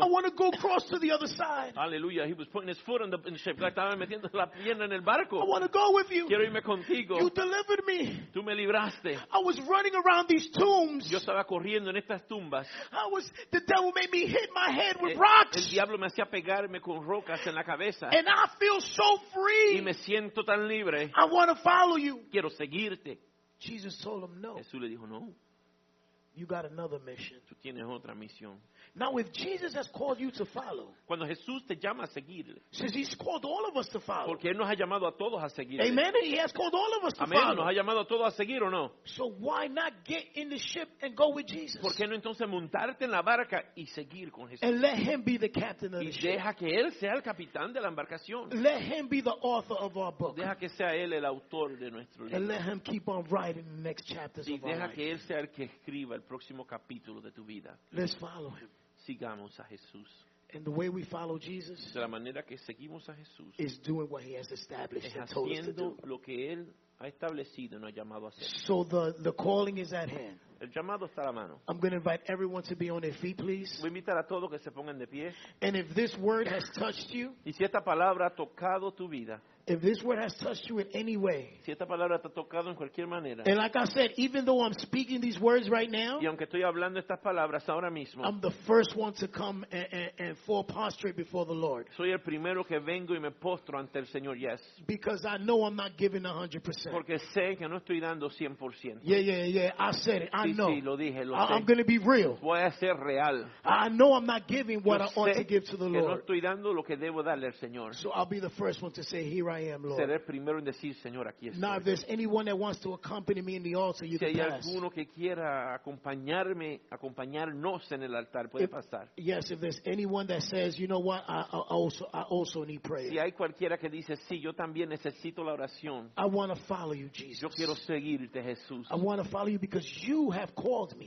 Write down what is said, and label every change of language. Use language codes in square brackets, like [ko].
[en] I want to go across to the other side. Hallelujah. He was putting his foot in the ship. [es] Estaba metiendo la pierna en el barco. [en] I want to go with you. [es] Quiero irme contigo. [en] You delivered me. [es] Tú me libraste. [en] I was running around these tombs. [es] Yo estaba corriendo en estas tumbas. [en] The devil made me hit my head with rocks. [es] El diablo me hacía pegarme con rocas en la cabeza. [en] And I feel so free. [es] Y me siento tan libre. [en] I want to follow you. [es] Quiero seguirte. [en] Jesus told him no. [es] Jesús le dijo no. [en] You got another mission. [es] Tú tienes otra misión. [en] Now, if Jesus has called you to follow, [es] cuando Jesús te llama a seguirle, [en] since He's called all of us to follow, [es] porque Él nos ha llamado a todos a seguirle. [en] Amen. He has called all of us to [es] amen. [en] Follow. [es] Nos ha llamado a todos a seguir o no. [en] So why not get in the ship and go with Jesus? [es] ¿Por qué no entonces montarte en la barca y seguir con Jesús? [en] And let Him be the captain of [es] y [en] the ship. [es] Y deja que Él sea el capitán de la embarcación. [en] Let Him be the author of our book. [es] Deja que sea Él el autor de nuestro libro. [en] And let Him keep on writing the next chapters [es] y [en] of our life. [es] Y deja que Él sea el que escriba el próximo capítulo de tu vida. [en] Let's follow Him. [es] Sigamos a Jesús. [en] And the way we follow Jesus, [es] de la manera que seguimos a Jesús, [en] is doing what He has established and told us to do. [es] Lo que Él ha establecido, nos ha llamado a hacer. [en] So the calling is at hand. [es] El llamado está a la mano. [en] I'm going to invite everyone to be on their feet, please. [es] Voy a invitar a todos que se pongan de pie. [en] And if this word has touched you, [es] y si esta palabra ha tocado tu vida, [en] if this word has touched you in any way, [es] si esta palabra te ha tocado en cualquier manera, [en] and like I said, even though I'm speaking these words right now, [es] y aunque estoy hablando estas palabras ahora mismo, [en] I'm the first one to come and fall prostrate before the Lord. [es] Soy el primero que vengo y me postro ante el Señor, [en] yes. Because I know I'm not giving 100%. [es] Porque sé que no estoy dando 100%. [en] Yeah. I said it. I know. [es] Sí, lo dije, lo [en] I'm going to be real. [es] Voy a ser real. [en] I know I'm not giving what I ought to give to the [es] que [en] Lord. [es] No estoy dando lo que debo darle al Señor. [en] So I'll be the first one to say, here I am. [es] Seré el primero en decir, Señor, aquí estoy. [en] Now, if there's anyone that wants to accompany me in the altar, you can pass. [es] Si hay alguno que quiera acompañarme, acompañarnos en el altar, puede pasar. [en] Yes, if there's anyone that says, you know what, I also need prayer. [es] Si hay cualquiera que dice, sí, yo también necesito la oración. [en] I want to follow you, Jesus. [es] Yo quiero seguirte, Jesús. [en] I want to follow you because you have called me.